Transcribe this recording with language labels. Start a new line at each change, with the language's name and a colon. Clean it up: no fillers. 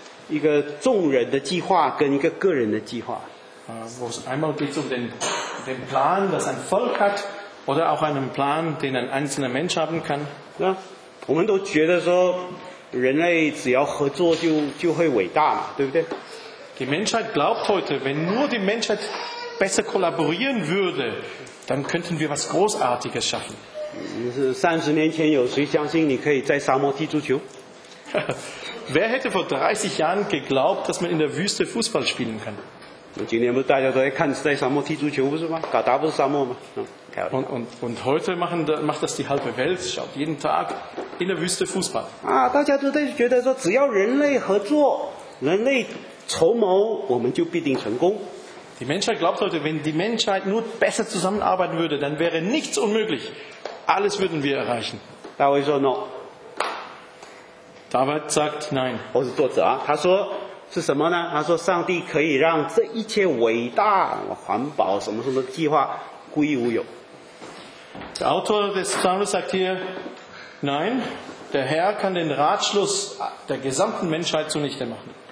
Chinese: 一个众人的计划跟一个个人的计划。
German: Wo es einmal geht um den Plan, das ein Volk hat, oder auch einen Plan, den ein einzelner Mensch haben kann.
Chinese: Ja, 我们都觉得说人类只要合作就会伟大嘛，对不对？
German: Die Menschheit glaubt heute, wenn nur die Menschheit besser kollaborieren würde, dann könnten wir was Großartiges schaffen.
Chinese: 30年前有谁相信你可以在沙漠踢足球？
German: Wer hätte vor 30 Jahren geglaubt, dass man in der Wüste Fußball spielen kann?
Chinese: 今天不是大家都在看在沙漠踢足球，不是吗？卡达不是沙漠吗？
German: Und heute macht das die halbe Welt, schaut jeden Tag in der Wüste Fußball.
Chinese: 大家都在觉得说只要人类合作，人类筹谋，我们就必定成功。
German: Die Menschheit glaubt heute, wenn die Menschheit nur besser zusammenarbeiten würde, dann wäre nichts unmöglich. Alles würden wir erreichen. David sagt no. David sagt nein.
Chinese: 我是作者啊，他说。是什么呢? 他说上帝可以让这一切伟大环保什么什么计划归于无有。
German: Der Autor des Psalms sagt hier, nein, der Herr kann den Ratschluss der gesamten Menschheit zunichte machen.